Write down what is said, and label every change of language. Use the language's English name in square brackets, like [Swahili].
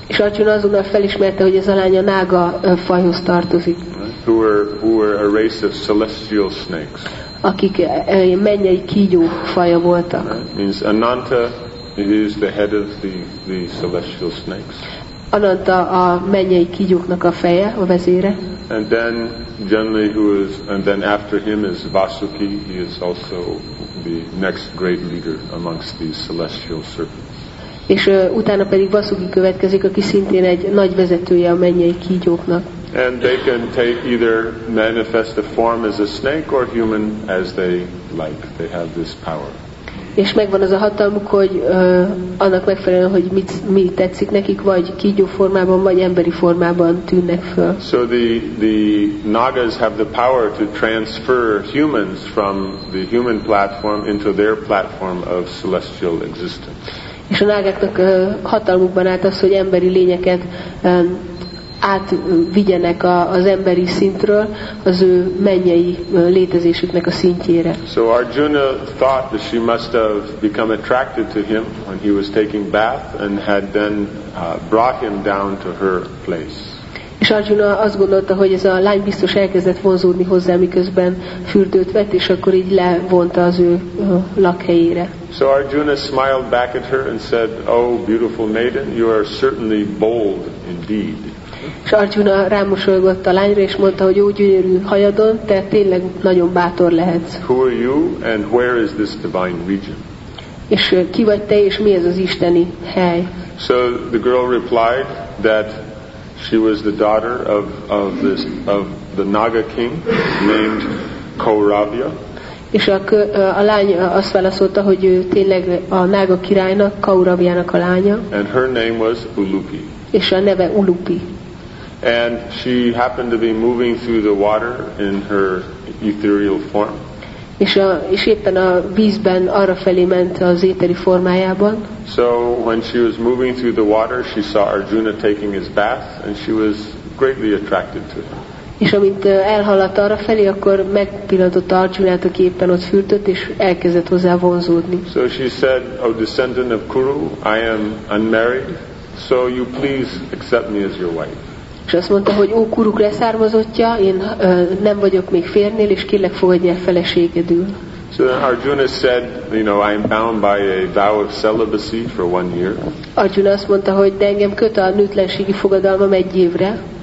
[Hungarian] És Arjuna azonnal felismerte, hogy ez a lány a Naga fajhoz tartozik. [English] Who were a race of celestial snakes. [Hungarian] Akik mennyei kígyó faja voltak. [English] Means Ananta, he is the head of the celestial snakes. [Hungarian] Ananta a mennyei kígyóknak a feje, a vezére. [English] And then generally and then after him is Vasuki, he is also the next great leader amongst the celestial serpents. [Hungarian] És utána pedig Vasuki következik, aki szintén egy nagy vezetője a mennyei kígyóknak. [English] And they can take either manifest a form as a snake or human as they like. They have this power. [Hungarian] És megvan az a hatalmuk, hogy annak megfelelően, hogy mi tetszik nekik, vagy kígyó formában, vagy emberi formában tűnnek föl. [English] So the Nagas have the power to transfer humans from the human platform into their platform of celestial existence. [Hungarian] És a nágáknak hatalmukban állt az, hogy emberi lényeket átvigyenek az emberi szintről az ő mennyei létezésüknek a szintjére. [English] So Arjuna thought that she must have become attracted to him when he was taking bath and had then brought him down to her place. [Hungarian] És Arjuna azt gondolta, hogy ez a lány biztos elkezdett vonzódni hozzá, miközben fürdőt vett, és akkor így levonta az ő lakhelyére. [English] So Arjuna smiled back at her and said, "Oh, beautiful maiden, you are certainly bold indeed." [Hungarian] És Arjuna rámosolgott a lányra, és mondta, hogy ó, gyönyörű hajadon, te tényleg nagyon bátor lehetsz. [English] Who are you and where is this divine region? [Hungarian] És ki vagy te, és mi ez az isteni hely? [English] So the girl replied that she was the daughter of the Naga king named Kauravya. [Hungarian] És a lány azt válaszolta, hogy ő tényleg a Naga királynak, Kauravyának a lánya. [English] And her name was Ulupi. [Hungarian] És a neve Ulupi. [English] And she happened to be moving through the water in her ethereal form. [Hungarian] És éppen a vízben arra felé ment az éteri formájában. [English] So when she was moving through the water, she saw Arjuna taking his bath, and she was greatly attracted to him. [Hungarian] És amint elhaladt arra felé, akkor megpillantotta Arjunát, aki éppen ott fürdött, és elkezdett hozzá vonzódni. [English] So she said, "O descendant of Kuru, I am unmarried, so you please accept me as your wife." [Hungarian] És azt mondta, hogy ó, Kuruk leszármazottja, én nem vagyok még férnél, és kérlek, fogadj el feleségedül. [English] So Arjuna said, you know, I am bound by a vow of celibacy for one year. [Hungarian] Arjuna azt mondta, hogy de engem köt a nőtlenségi fogadalmam egy évre.